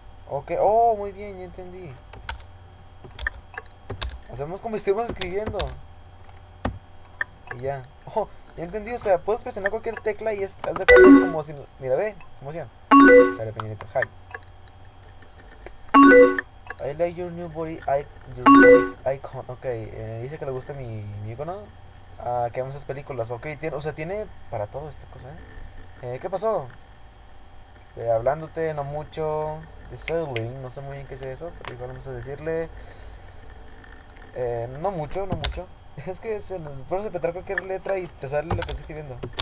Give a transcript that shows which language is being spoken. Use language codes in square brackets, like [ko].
[es] Ok, oh, muy bien, ya entendí. Hacemos como si estuviéramos escribiendo. Y ya. Oh, ya entendí, o sea, puedes presionar cualquier tecla y es hacer como si. Mira, ve, emoción. Sale peñinito, hi. [en] I like your new body, your body icon. [es] Ok, dice que le gusta mi icono. Ah, que vemos esas películas. Ok, o sea, tiene para todo esta cosa, ¿eh? ¿Qué pasó? Hablándote, no mucho. Disabling, no sé muy bien qué es eso, pero igual vamos a decirle. No mucho. Es que se nos puede petar cualquier letra y te sale lo que estoy escribiendo.